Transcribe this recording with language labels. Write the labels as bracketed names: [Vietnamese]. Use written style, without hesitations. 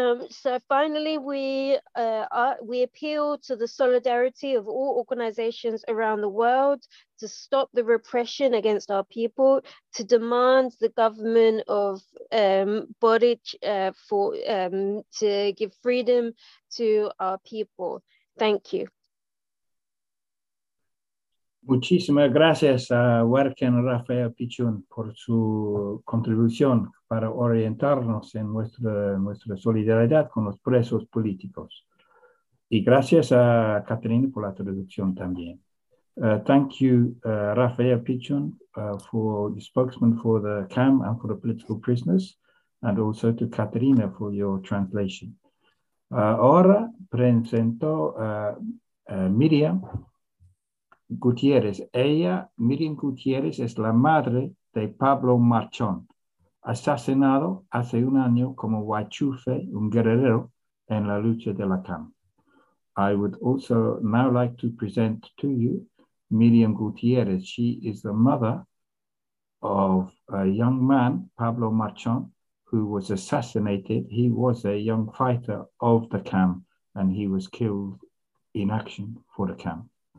[English] So finally, we appeal to the solidarity of all organizations around the world to stop the repression against our people, to demand the government of Boric to give freedom to our people. Thank you. [Spanish] Muchísimas gracias a Huerken Rafael Pichun por su contribución para orientarnos en nuestra solidaridad con los presos políticos. Y gracias a Catherine por la traducción también. [English] Thank you, Rafael Pichun, for the spokesman for the CAM and for the political prisoners, and also to Catherine for your translation. [Spanish] Ahora presento Miriam Gutiérrez. Miriam Gutiérrez es la madre de Pablo Marchón, asesinado hace un año como huachufe, un guerrero, en la lucha de la CAM. [English] I would also now like to present to you Miriam Gutiérrez. She is the mother of a young man, Pablo Marchón, who was assassinated. He was a young fighter of the CAM, and he was killed in action for the CAM.